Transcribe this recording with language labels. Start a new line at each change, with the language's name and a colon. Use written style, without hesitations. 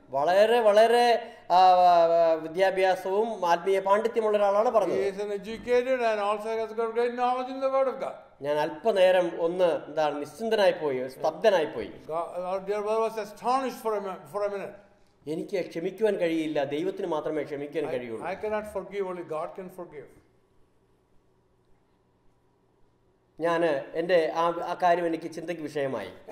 Malayalam: വളരെ വളരെ വിദ്യാഭ്യാസവും ആത്മീയ പാണ്ഡിത്യമുള്ള ഒരാളാണ് പറഞ്ഞത്.
English: He is an educated and also has got great knowledge in the word of God.
Malayalam: ഞാൻ അല്പനേരം ഒന്ന് എന്താണ് നിശ്ചിന്തനായി പോയി സ്തബ്ധനായി പോയി.
English: Our dear brother was astonished for a minute.
Malayalam: എനിക്ക് ക്ഷമിക്കുവാൻ കഴിയില്ല ദൈവത്തിന് മാത്രമേ ക്ഷമിക്കാൻ കഴിയുള്ളൂ.
English: I cannot forgive, only God can forgive.
Malayalam: ഞാൻ എൻ്റെ ആ കാര്യം എനിക്ക് ചിന്തയ്ക്ക് വിഷയമായി.